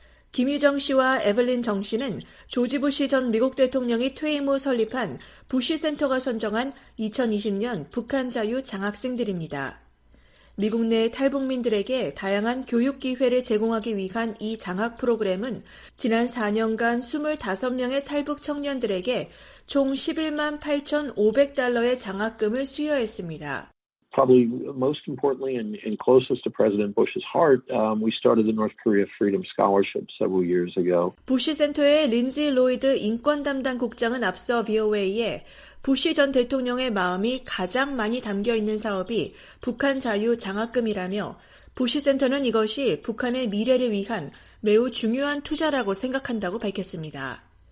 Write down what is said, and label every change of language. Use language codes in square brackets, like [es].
[ko] 김유정 씨와 에블린 정 씨는 조지 부시 전 미국 대통령이 퇴임 후 설립한 부시 센터가 선정한 2020년 북한 자유 장학생들입니다. 미국 내 탈북민들에게 다양한 교육 기회를 제공하기 위한 이 장학 프로그램은 지난 4년간 25명의 탈북 청년들에게 총 $118,500의 장학금을 수여했습니다. [en] Probably most importantly and closest to President Bush's heart, we started the North Korea Freedom Scholarship several years ago. [ko] 부시 센터의 린지 로이드 인권 담당 국장은 앞서 VOA에 부시 전 대통령의 마음이 가장 많이 담겨 있는 사업이 북한 자유 장학금이라며 부시 센터는 이것이 북한의 미래를 위한 매우 중요한 투자라고 생각한다고 밝혔습니다.